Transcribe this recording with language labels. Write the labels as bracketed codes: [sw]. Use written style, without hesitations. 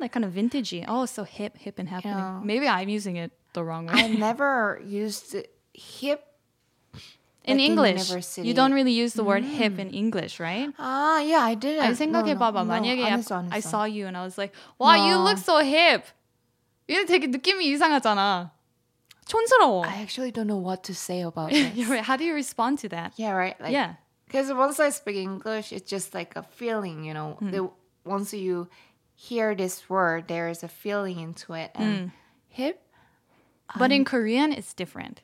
[en] Like kind of vintagey. Oh, so hip and happening. Yeah. Maybe I'm using it the wrong way. I never used hip in English. University. You don't really use the word hip in English, right? Ah, yeah, I didn't. I [ko] 생각해 봐봐. 만약에 [en] I saw you and I was like, wow, no. you look so hip. [ko] 이게 되게 느낌이 이상하잖아. 촌스러워. [en] I actually don't know what to say about this. How do you respond to that? Yeah, right? Like, yeah. Because once I speak English, it's just like a feeling, you know. Mm. Once you hear this word, there is a feeling into it. And hip? But in Korean, it's different.